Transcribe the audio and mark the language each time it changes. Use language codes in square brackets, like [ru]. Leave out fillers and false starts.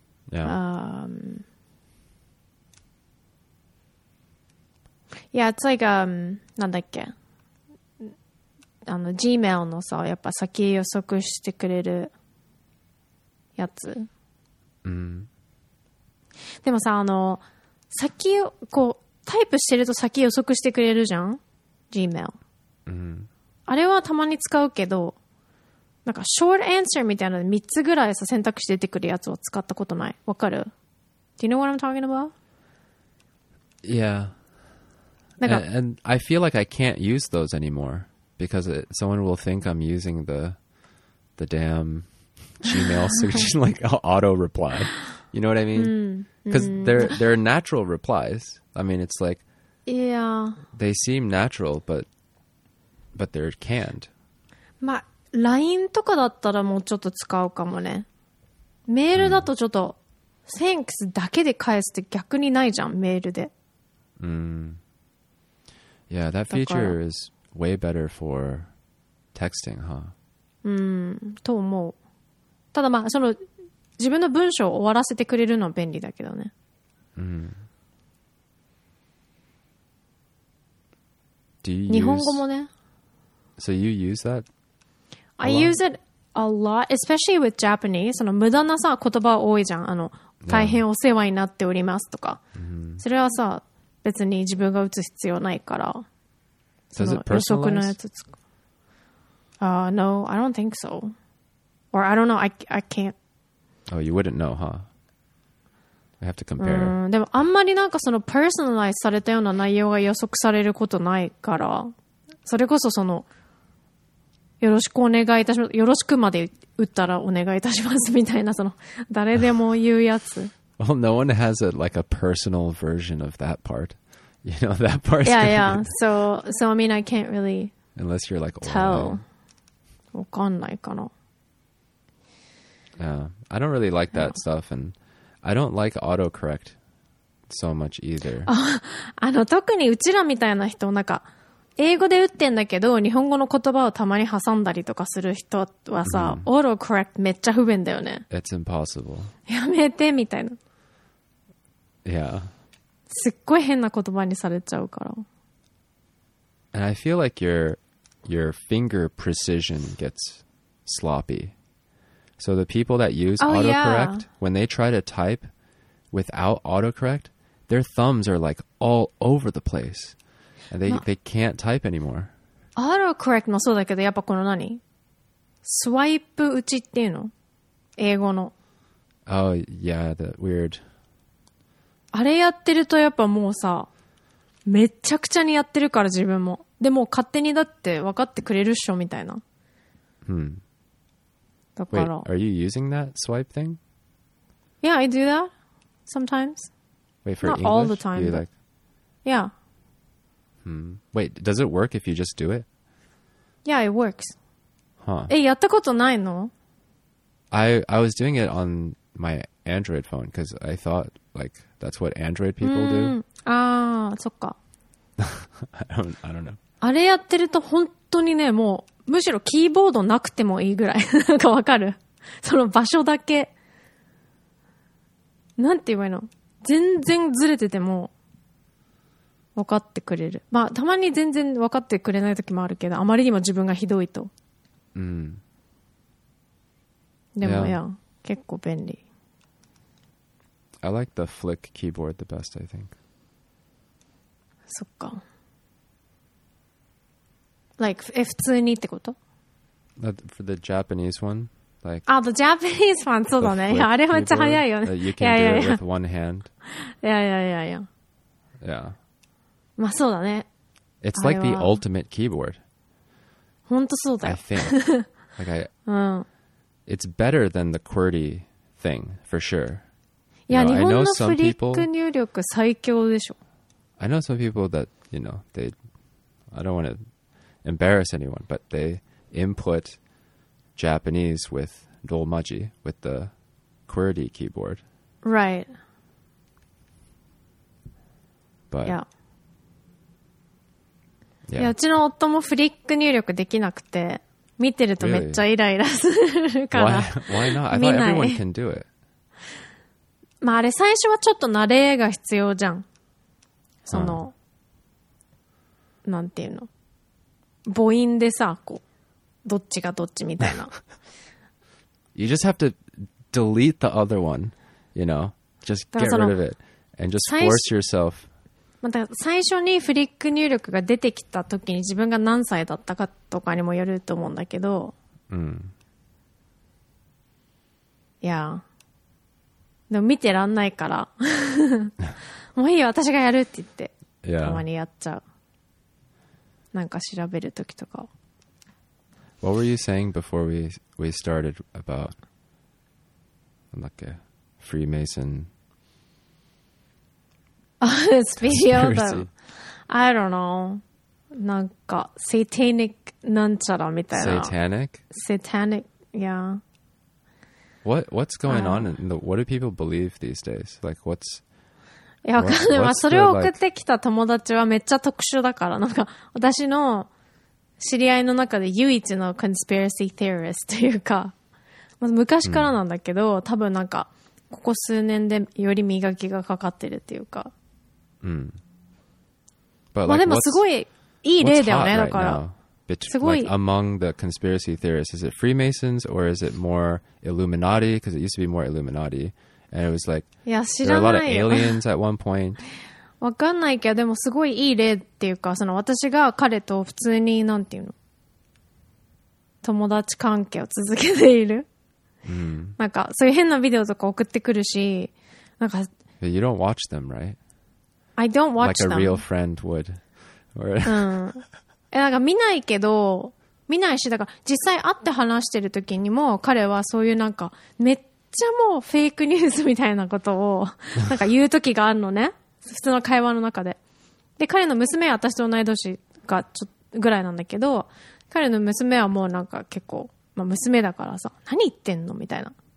[en] Yeah. Yeah, it's like, [ja] なんだっけ。あの、Gmail のさ、やっぱ先予測してくれるやつ。でもさ、あの、先を、こう、タイプしてると先予測してくれるじゃん？ Gmail。あれはたまに使うけど、なんか、 [en] short answer [ja] みたいなの3つぐらいさ、選択肢出てくるやつを使ったことない。わかる？ [en] Do you know what I'm talking about? Yeah. And I feel like I can't use those anymore because someone will think I'm using the damn Gmail suggestion, like auto reply. You know what I mean? Because they're natural replies. I mean, it's like, yeah, they seem natural, but they're canned. [ja] まあ、LINE とかだったらもうちょっと使うかもね。メールだとちょっと thanks だけで返すって逆にないじゃん、メールで。 [en] Yeah, that feature is way better for texting, huh? [ja] と思う。ただまあ、その、自分の文章を終わらせてくれるのは便利だけどね。 [en] Do you [ja] 日本語もね。 [en] So you use that? I use it a lot, especially with Japanese. [ja] その無駄なさ、言葉多いじゃん。あの、大変お世話になっておりますとか。それはさ、別に自分が打つ必要ないから。 [en] Does it personalize? No, I don't think so. Or I don't know, I can't. Oh, you wouldn't know, huh? I have to compare. [ja] でもあんまりなんかその personalize されたような内容が予測されることないから、それこそそのよろしくお願いいたします、よろしくまで打ったらお願いいたしますみたいな、その誰でも言うやつ。 [en] Well, no one has a, like a personal version of that part. You know, that part. Yeah, yeah. So I mean, I can't really unless you're like tell. [ja] わかんないかな。 [en] I don't really like that stuff, and I don't like autocorrect so much either. [ja] あの特にうちらみたいな人、なんか英語で打ってんだけど日本語の言葉をたまに挟んだりとかする人はさ、autocorrect めっちゃ不便だよね。 [en] It's impossible. [ja] やめてみたいな。 [en] Yeah. [ja] すっごい変な言葉にされちゃうから。 [en] And I feel like your finger precision gets sloppy. So the people that use autocorrect, yeah. when they try to type without autocorrect, their thumbs are like all over the place. And they can't type anymore. [ja] Autocorrect もそうだけど、やっぱこの何？スワイプ打ちっていうの？英語の。 [en] Oh, yeah, the weird. [ja] あれやってるとやっぱもうさ、めちゃくちゃにやってるから自分も。でも勝手にだって分かってくれるっしょみたいな。 Hmm. [en] Wait, are you using that swipe thing? Yeah, I do that sometimes. Wait, for Not English? Not all the time. You like... Yeah. Hmm. Wait, does it work if you just do it? Yeah, it works. Huh. [ja] え、やったことないの? [en] I was doing it on my Android phone because I thought like, that's what Android people do. [ja] ああ、そっか。 [en] I don't know. [ja] あれやってると本当にね、もう。むしろキーボードなくてもいいぐらいなんかわかる、その場所だけなんて言えばいいの、全然ずれてても分かってくれる。まあたまに全然分かってくれない時もあるけど、あまりにも自分がひどいと、うん、でも、yeah. いや結構便利。 [en] I like the flick keyboard the best, I think. [ja] そっか、Like, 普通にってこと? [en] For the Japanese one? Like, ah, the Japanese one, [ja] そうだね。いや、あれめっちゃ早いよね。 [en] You can do it with one hand. [ja] Yeah. まあ、そうだね。 [en] It's like the ultimate keyboard. [ja] 本当そうだよ。 [en] I think. Like, it's better than the QWERTY thing, for sure. [ja] いや、日本のフリック入力最強でしょ。 [en] I know some people that, you know, they... I don't want to... embarrass anyone, but they input Japanese with Dolmaji, with the QWERTY keyboard. Right. But... Yeah. [ja] Yeah. うちの夫もフリック入力できなくて、見てるとめっちゃイライラするから。 [en] Really? Why not? I thought everyone can do it. [ja] まああれ最初はちょっと慣れが必要じゃん。その、なんていうの。母音でさ、こうどっちがどっちみたいな。 [en] You just have to delete the other one, you know, just get rid of it and just force yourself. [ja] また最初にフリック入力が出てきた時に自分が何歳だったかとかにもよると思うんだけど。うん。いや、でも見てらんないから、もういいよ私がやるって言って、 [en] yeah. [ja] たまにやっちゃう。なんか調べるときとか。 [en] What were you saying before we started about [ja] なんだっけ [en] Freemason? スピリオタム。I don't know. [ja] なんか Satanic なんちゃらみたいな。 [en] Satanic? Satanic, yeah. What's going on? What do people believe these days? Like what's... [ja] いや、わかんない。まあ、それを送ってきた友達はめっちゃ特殊だから、なんか、私の知り合いの中で唯一のコンスピラシー・テオリストというか、まあ、昔からなんだけど、うん、多分なんか、ここ数年でより磨きがかかってるっていうか。うん。 [en] But, like, [ja] まあ、でもすごいいい例だよね、 [en] right、 [ja] だから。すごい。 [en] Like, among the conspiracy theorists, is it Freemasons or is it more Illuminati? Because it used to be more Illuminati. And it was like, there are a lot of aliens at one point. [ja] わかんないけど、でもすごいいい例っていうか、その私が彼と普通に、なんていうの、友達関係を続けている。 Mm. なんか、そういう変なビデオとか送ってくるし、なんか、 [en] But、You don't watch them, right? I don't watch like them. Like a real friend would. [ja] うん。なんか見ないけど、見ないし、だから実際会って話してる時にも彼はそういうなんかめっちゃもうフェイクニュースみたいなことをなんか言う時があるのね。普通の会話の中で。で、彼の娘は私と同い年がちょっぐらいなんだけど、彼の娘はもうなんか結構、まあ娘だからさ、何言ってんのみたいな。